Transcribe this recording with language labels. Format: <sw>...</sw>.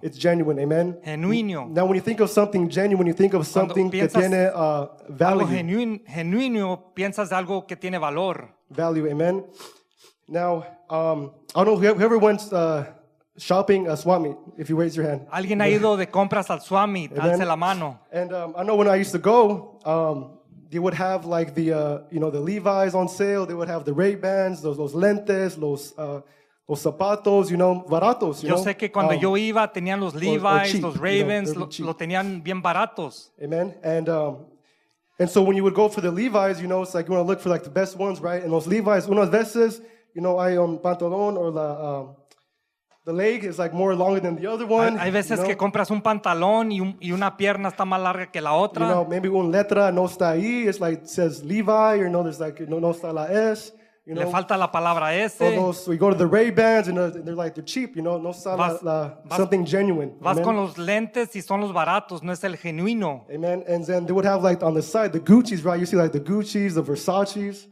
<en>It's genuine, amen.</en> <es>Genuino.</es> <en>Now when you think of something genuine, you think of something</en> <es>que tiene</es> <en>value.</en> <es>Algo genuino, piensas algo que tiene valor.</es> <en>Value, amen. Now, I don't know, whoever went shopping at Swami, if you raise your hand.</en> <es>Alguien ha ido de compras al Swami, alce la mano.</es> <en>And I know when I used to go, they would have like the, you know, the Levi's on sale. They would have the Ray-Bans, those lentes,</en> <es>los zapatos,</es> <en>you know, baratos, you</en> <es>yo Yo sé que cuando yo iba, tenían los Levi's, los Ray-Bans,</es> <en>you know,</en> <es>lo tenían bien baratos. Amen.</es> <en>And and so when you would go for the Levi's, you know, it's like you want to look for like the best ones, right? And</en> <es>los Levi's, unas veces,</es> <en>you know,</en> <es>hay un pantalón</es> <en>or the leg is like more longer than the other one.</en> <es>Hay veces,</es> <en>you know,</en> <es>que compras un pantalón y una pierna está más larga que la otra.</es> <en>You know, maybe</en> <es>una letra no está ahí.</es> <en>It's like it says Levi, or you know, there's like</en> <es>no está la S.</es> <en>You know,</en> <es>le falta la palabra S.</es> <en>We go to the Ray-Bans, and they're like they're cheap. You know,</en> <es>no está</es> <en>something genuine.</en> <es>Vas con los lentes y son los baratos. No es el genuino. Amen.</es> <en>And then they would have like on the side the Gucci's, right? You see like the Gucci's, the Versace's.</en>